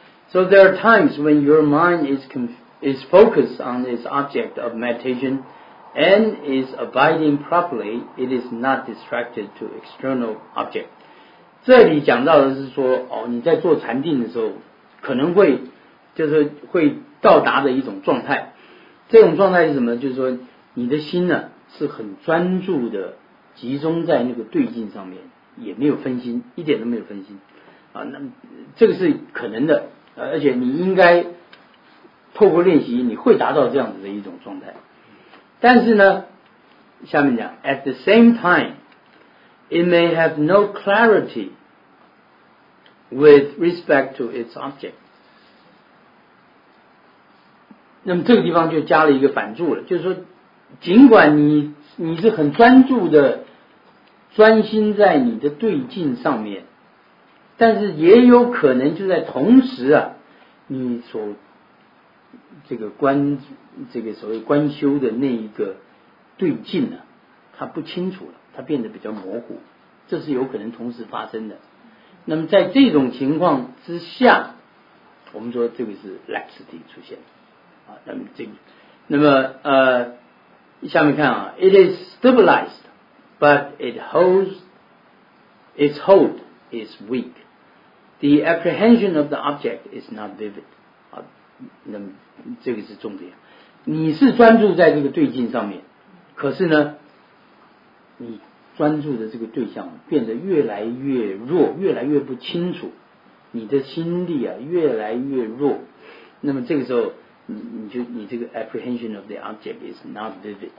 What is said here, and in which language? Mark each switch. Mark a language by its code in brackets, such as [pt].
[en] So there are times when your mind is focused on its object of meditation and is abiding properly, it is not distracted to external object. [zh] 这里讲到的是说，哦，你在做禅定的时候，可能会，就是会到达的一种状态，这种状态是什么？就是说你的心呢是很专注的集中在那个对境上面，也没有分心，一点都没有分心啊。那这个是可能的，而且你应该透过练习你会达到这样子的一种状态。但是呢，下面讲 [en] at the same time it may have no clarity with respect to its object。 [zh] 那么这个地方就加了一个反注了，就是说尽管你是很专注的专心在你的对境上面，但是也有可能就在同时啊，你所这个观这个所谓观修的那一个对境呢、啊，它不清楚了，它变得比较模糊，这是有可能同时发生的。那么在这种情况之下，我们说这个是 laxity 出现啊。那么这个，那么下面看啊 ， [en] it is stabilized。 But it holds, its hold is weak. The apprehension of the object is not vivid. [zh] 啊，那么这个是重点。你是专注在这个对境上面，可是呢，你专注的这个对象变得越来越弱，越来越不清楚。你的心力啊越来越弱。那么这个时候，你这个 [en] apprehension of the object is not vivid.